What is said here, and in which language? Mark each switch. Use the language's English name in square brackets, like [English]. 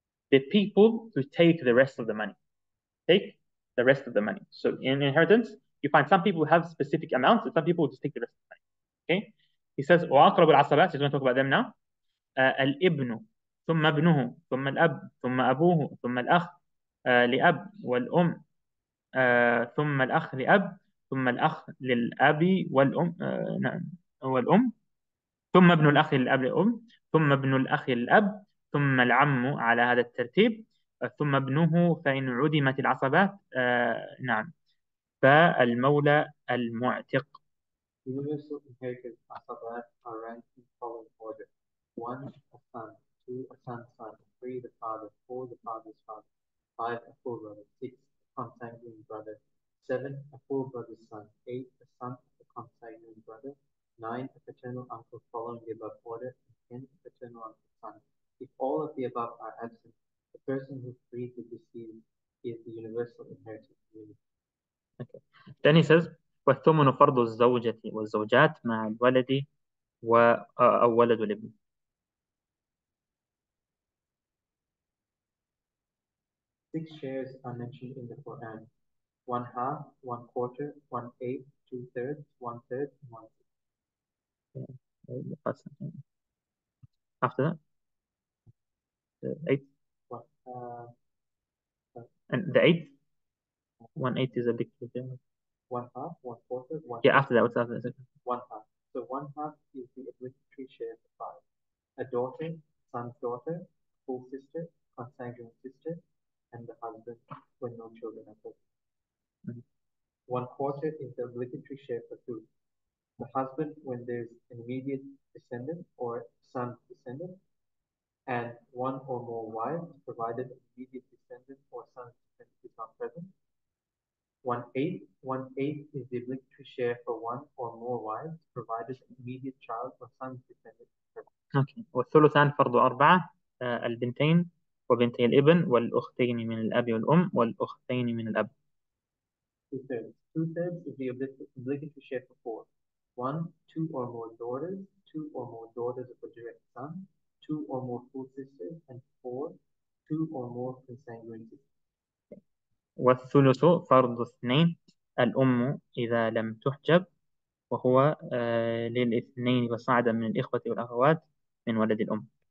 [English] They're people who take the rest of the money. Take the rest of the money. So in inheritance, You find some people have specific amounts, and some people just take the rest of the money. Okay? He says, [Arabic] وأقرب العصبات, [English] he's going to talk about them now. [Arabic] الابن ثم ابنه ثم الأب ثم أبوه ثم الأخ لأب والأم ثم الأخ لأب ثم الأخ للأب والأم نعم والأم ثم ابن الأخ للأب والأم ثم ابن الأخ للأب ثم العم على هذا الترتيب ثم ابنه فإن عدمت العصبات نعم فالمولى المعتق. [English] Universal inherited asabat are ranked in the following order. 1. A son. 2. A son's son. 3. The father. 4. The father's father. 5. A full brother. 6. A consanguine brother. 7. A full brother's son. 8. A son of a consanguine brother. 9. A paternal uncle following the above order. And 10. A paternal uncle's son. If all of the above are absent, the person who freed the deceased is the universal inherited community. Then he says, [Arabic] والثمن فرض الزوجة والزوجات مع الولد أو ولد الابن. [English] Six shares are mentioned in the Quran. One half, one quarter, one eighth, two thirds, one third, and one Yeah. After that, the eighth. What, And the eighth. One eighth is a big deal. One half, one quarter, one Yeah, eighth. after that, what's after that? One half. So one half is the obligatory share of the five. A daughter, son's daughter, full sister, consanguine sister, and the husband when no children are present. One quarter is the obligatory share for two. The husband when there's an immediate descendant or son's descendant, and one or more wives provided an immediate descendant or son's descendant is not present. One eighth is the obligatory share for one or more wives provided an immediate child or son's descendant is present. Okay. [Arabic] والثلثان فرض أربعة البنتين وبنتي الابن والأختين من الأب والأم والأختين من الأب. [English] Two-thirds. Two-thirds is the obligatory share for four. One, two or more daughters, two or more daughters of a direct son, two or more full sisters, and four, two or more consanguine sisters. [Arabic] والثلث فرض اثنين الأم إذا لم تحجب وهو للاثنين وصاعدا من الإخوة والأخوات من ولد الأم.